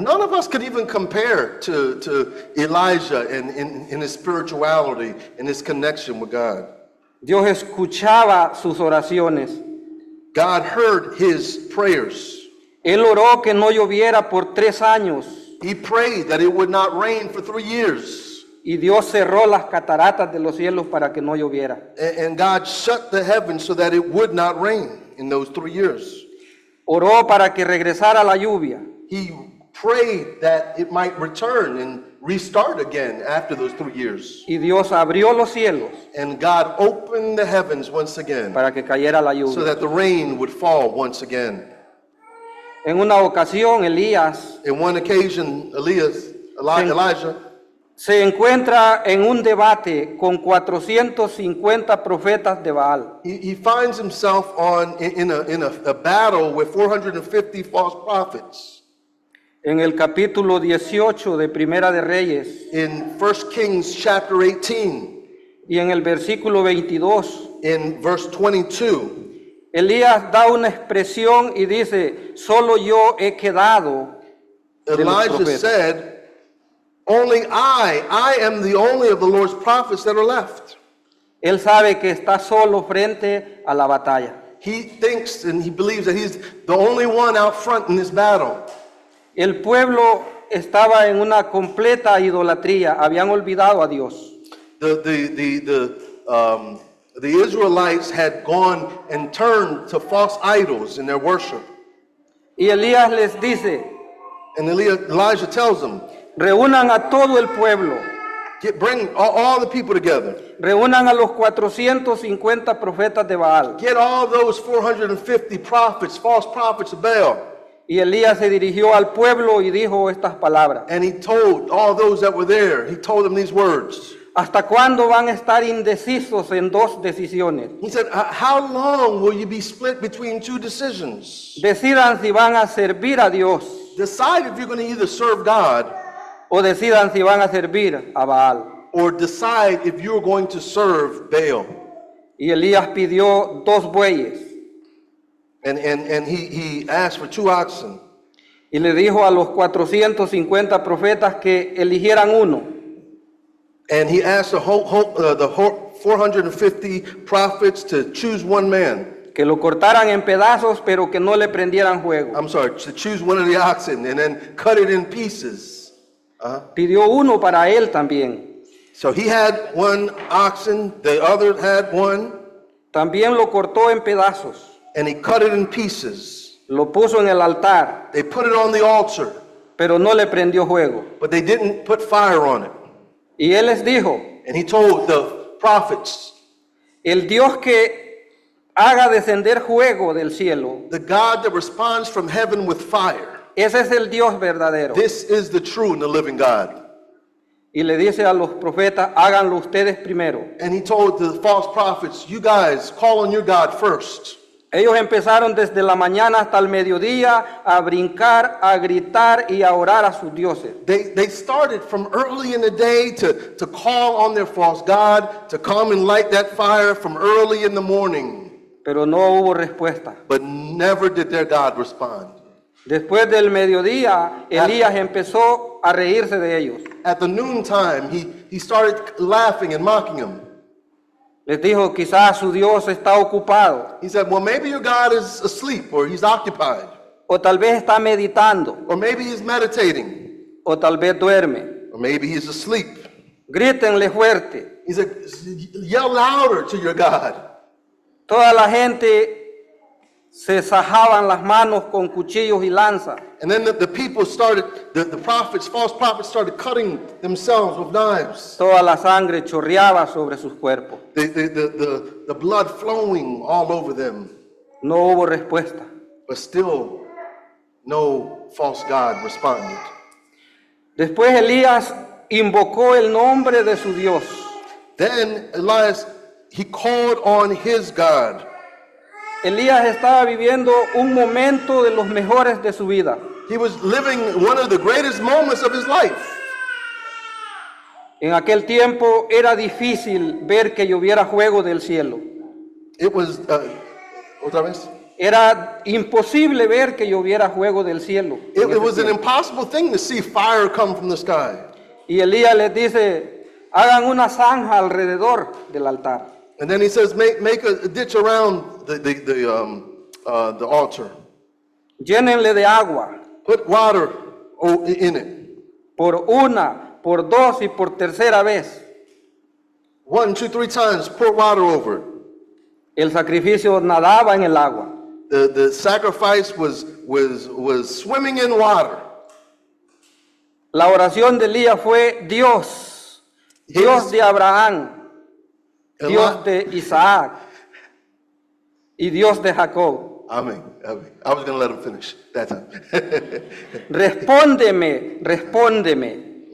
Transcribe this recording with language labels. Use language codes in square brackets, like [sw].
[en] None of us could even compare to Elijah in his spirituality, in his connection with God. [es] Dios escuchaba sus oraciones. [en] God heard his prayers. [es] Él oró que no lloviera por 3 años. [en] He prayed that it would not rain for 3 years. [es] Y Dios cerró las cataratas de los cielos para que no lloviera. [en] And God shut the heavens so that it would not rain in those 3 years. [es] Oró para que regresara la lluvia. [en] He prayed that it might return and restart again after those 3 years. [es] Y Dios abrió los cielos. [en] And God opened the heavens once again. [es] Para que cayera la lluvia. [en] So that the rain would fall once again. [es] En una ocasión, Elías. [en] In one occasion, Elijah. [es] Se encuentra en un debate con 450 profetas de Baal. [en] He finds himself in a battle with 450 false prophets. [es] En el capítulo 18 de Primera de Reyes. [en] In 1 Kings chapter 18. [es] Y en el versículo 22. [en] In verse 22. [es] Elías da una expresión y dice, solo yo he quedado. [en] Elijah said, only I am the only of the Lord's prophets that are left. [es] Él sabe que está solo frente a la batalla. [en] He thinks and he believes that he's the only one out front in this battle. [es] El pueblo estaba en una completa idolatría. Habían olvidado a Dios. [en] The Israelites had gone and turned to false idols in their worship. [es] Y Elías les dice. [en] And Elijah tells them. [es] Reúnan a todo el pueblo. [en] Bring all the people together. [es] Reúnan a los 450 profetas de Baal. [en] Get all those 450 prophets, false prophets of Baal. [es] Y Elías se dirigió al pueblo y dijo estas palabras. [en] And he told all those that were there, he told them these words. [es] ¿Hasta cuándo van a estar indecisos en dos decisiones? [en] He said, how long will you be split between two decisions? [es] Decidan si van a servir a Dios. [en] Decide if you're going to either serve God. [es] O decidan si van a servir a Baal. [en] Or decide if you're going to serve Baal. [es] Y Elías pidió dos bueyes. [en] And he asked for two oxen. [es] Y le dijo a los 450 profetas que eligieran uno. [en] And he asked the 450 prophets to choose one man. [es] Que lo cortaran en pedazos, pero que no le prendieran fuego. [en] I'm sorry, to choose one of the oxen and then cut it in pieces. [es] Pidió uno para él también. [en] So he had one oxen, the other had one. [es] También lo cortó en pedazos. [en] And he cut it in pieces. [es] Lo puso en el altar. [en] They put it on the altar. [es] Pero no le prendió fuego. [en] But they didn't put fire on it. [es] Y él les dijo, [en] and he told the prophets, [es] el Dios que haga descender fuego del cielo, [en] the God that responds from heaven with fire, [es] ese es el Dios verdadero. [en] This is the true and the living God. [es] Y le dice a los profetas, háganlo ustedes primero. [en] And he told the false prophets, you guys, call on your God first. [es] Ellos empezaron desde la mañana hasta el mediodía a brincar, a gritar y a orar a sus dioses. [en] They started from early in the day to call on their false God to come and light that fire from early in the morning. [es] Pero no hubo respuesta. [en] But never did their God respond. [es] Después del mediodía, Elías empezó a reírse de ellos. [en] At the noontime, he started laughing and mocking them. [es] Les dijo, quizás su Dios está ocupado. [en] He said, well, maybe your God is asleep or he's occupied. [es] O tal vez está meditando. [en] Or maybe he's meditating. [es] O tal vez duerme. [en] Or maybe he's asleep. [es] Grítenle fuerte. [en] He said, yell louder to your God. [es] Toda la gente se sajaban las manos con cuchillos y lanzas. [en] And then the people started, the prophets, false prophets started cutting themselves with knives. [es] Toda la sangre chorreaba sobre sus cuerpos. [en] The blood flowing all over them. [es] No hubo respuesta. [en] But still, no false God responded. [es] Después Elías invocó el nombre de su Dios. [en] Then Elias, he called on his God. [es] Elías estaba viviendo un momento de los mejores de su vida. [en] He was living one of the greatest moments of his life. [es] En aquel tiempo era difícil ver que lloviera fuego del cielo. [en] It was, [es] otra vez. Era imposible ver que lloviera fuego del cielo. [en] It was an impossible thing to see fire come from the sky. [es] Y Elías les dice, hagan una zanja alrededor del altar. [en] And then he says, make a ditch around the altar. [es] Llénenle de agua. [en] Put water in it. [es] Por una, por dos y por tercera vez. [en] One, two, three times, pour water over it. [es] El sacrificio nadaba en el agua. [en] The sacrifice was swimming in water. [es] La oración de Elías fue Dios, Dios de Abraham. Dios de Isaac y Dios de Jacob. [en] Amén. I was going to let him finish that time. [es] Respóndeme, respóndeme.